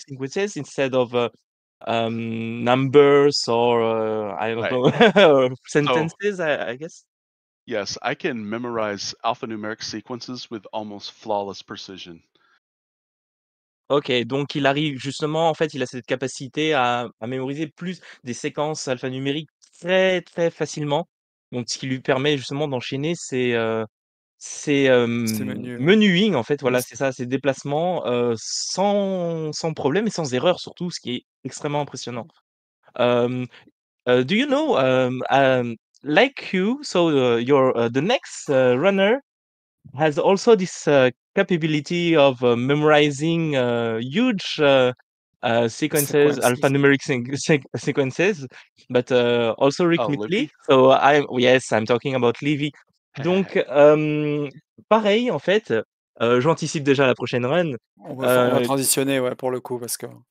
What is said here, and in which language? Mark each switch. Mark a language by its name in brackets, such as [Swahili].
[English] sequences, instead of numbers or, I don't know, or sentences, so, I guess. Yes, I can memorize alphanumeric sequences with almost flawless precision. [French] Ok, donc il arrive justement, en fait, il a cette capacité à mémoriser plus des séquences alphanumériques très très facilement, donc ce qui lui permet justement d'enchaîner menuing, en fait, voilà, c'est ça, ces déplacements sans problème et sans erreur surtout, ce qui est extrêmement impressionnant. [English] Do you know, like you, so you're the next runner has also this capability of memorizing huge sequences, alphanumeric sequences, but also rhythmically. I'm talking about Livy. [French] Donc, pareil, en fait, j'anticipe déjà la prochaine run. On va transitionner, ouais, pour le coup, parce que...